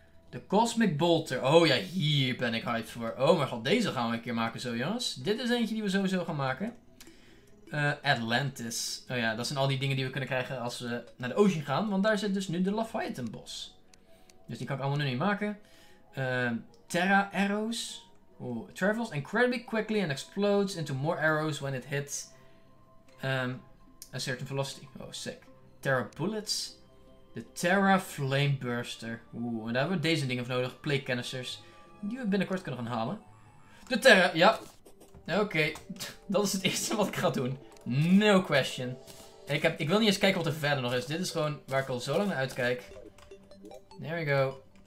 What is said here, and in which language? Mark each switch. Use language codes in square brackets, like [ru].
[nl] De Cosmic Bolter. Oh ja, hier ben ik hyped voor. Oh mijn god, deze gaan we een keer maken zo, jongens. Dit is eentje die we sowieso gaan maken. Atlantis. Oh ja, dat zijn al die dingen die we kunnen krijgen als we naar de ocean gaan. Want daar zit dus nu de Leviathan Boss. Dus die kan ik allemaal nu niet maken. Terra arrows. [en] Ooh, it travels incredibly quickly and explodes into more arrows when it hits a certain velocity. [nl] Oh, sick. Terra bullets. De Terra Flame Burster. Oeh, en daar hebben we deze dingen voor nodig. Plague canisters. Die we binnenkort kunnen gaan halen. De Terra, ja. Oké, dat is het eerste wat ik ga doen. [en] No question. [nl] Ik wil niet eens kijken wat er verder nog is. Dit is gewoon waar ik al zo lang naar uitkijk. [en] There we go.